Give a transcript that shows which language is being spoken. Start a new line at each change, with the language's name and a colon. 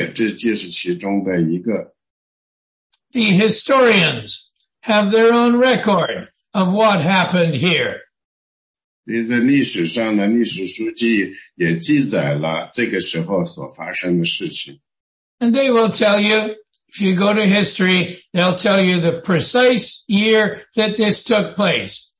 Chinese: 圣经呢通常呢讲得非常的精确，这就是其中的一个。The
English: historians have their own record of what happened here.
Chinese: 历史上的历史书记也记载了这个时候所发生的事情。And
English: they will tell you, if you go to history, they'll tell you the precise year that this took place.